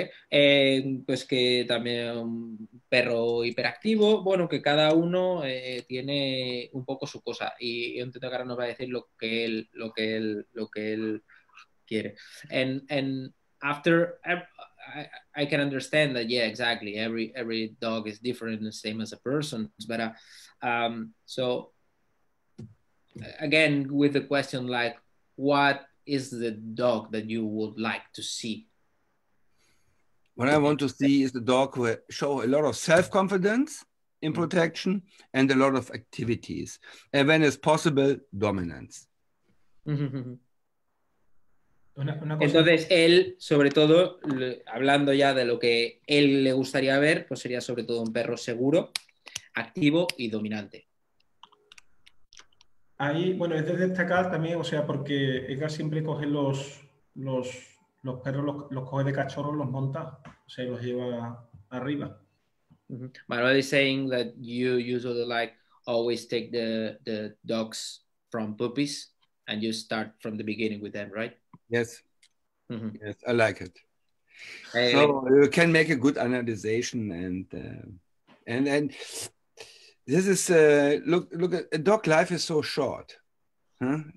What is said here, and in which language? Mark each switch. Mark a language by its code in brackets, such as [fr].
[es] Pues que también un perro hiperactivo, bueno, que cada uno tiene un poco su cosa, y un teto que ahora nos va a decir lo que él quiere. [en] And after I can understand that, yeah, exactly, every dog is different, the same as a person, but so again with the question, like, what is the dog that you would like to see? What I want to see is the dog who show a lot of self-confidence in protection and a lot of activities. And when it's possible, dominance. [es] Entonces, él, sobre todo, hablando ya de lo que él le gustaría ver, pues sería sobre todo un perro seguro, activo y dominante. Ahí, bueno, es de destacar también, o sea, porque Edgar siempre coge los perros, los coge de cachorro, los monta, o sea, los lleva arriba. [en] Manuel is saying that you usually like always take the dogs from puppies and you start from the beginning with them, right? Yes. Mm-hmm. Yes, I like it. So you can make a good analyzation and this is look a dog life is so short. Huh?